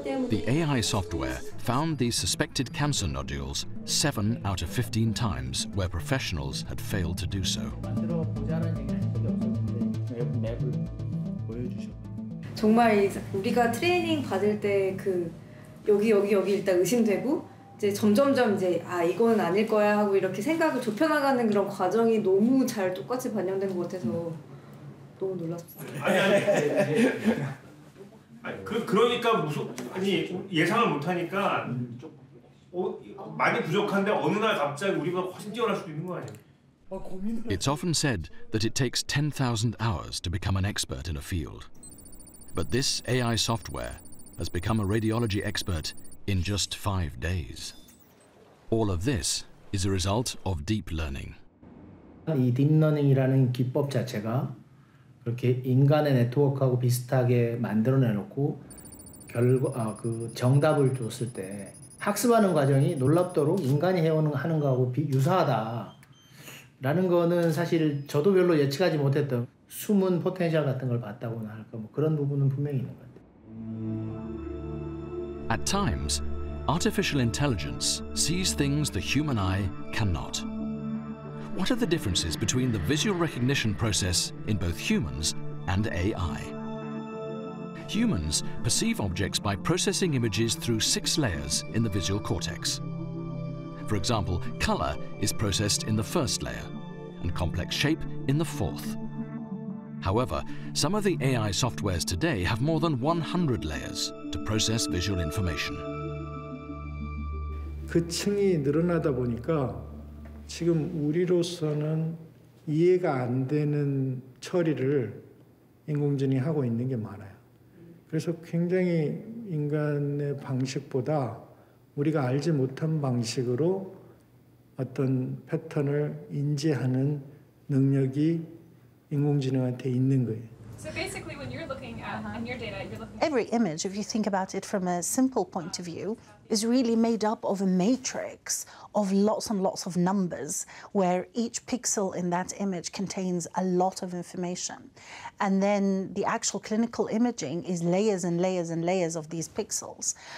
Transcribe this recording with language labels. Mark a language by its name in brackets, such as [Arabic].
[English] The AI software found these suspected cancer nodules 7 out of 15 times where professionals had failed to do so. [Korean] 정말 우리가 트레이닝 받을 때 그 여기 일단 의심되고 이제 점점점 이제 아 이건 아닐 거야 하고 이렇게 생각을 좁혀나가는 그런 과정이 너무 잘 똑같이 반영된 것 같아서 너무 놀랐습니다. 그러니까 아니 예상을 못하니까 많이 부족한데 어느 날 갑자기 우리보다 훨씬 뛰어날 수도 있는 거 아니에요? [English] It's often said that it takes 10,000 hours to become an expert in a field. But this AI software has become a radiology expert in just 5 days. All of this is a result of deep learning. [Korean] 이 딥러닝이라는 기법 자체가 이렇게 인간의 네트워크하고 비슷하게 만들어내놓고 그 정답을 줬을 때 학습하는 과정이 놀랍도록 인간이 해오는 것하고 유사하다라는 거는 사실 저도 별로 예측하지 못했던 숨은 포텐셜 같은 걸 봤다고나 할까 뭐 그런 부분은 분명히 있는 것 같아요. [English] At times, artificial intelligence sees things the human eye cannot. What are the differences between the visual recognition process in both humans and AI? Humans perceive objects by processing images through 6 layers in the visual cortex. For example, color is processed in the first layer and complex shape in the fourth. However, some of the AI softwares today have more than 100 layers to process visual information. [Korean] 그 층이 늘어나다 보니까 지금 우리로서는 이해가 안 되는 처리를 인공지능이 하고 있는 게 많아요. 그래서 굉장히 인간의 방식보다 우리가 알지 못한 방식으로 어떤 패턴을 인지하는 능력이 인공지능한테 있는 거예요. [English] So basically when you're looking at in your data you're looking Every image if you think about it from a simple point of view is really made up of a matrix of lots and lots of numbers where each pixel in that image contains a lot of information. And then the actual clinical imaging is layers and layers and layers of these pixels.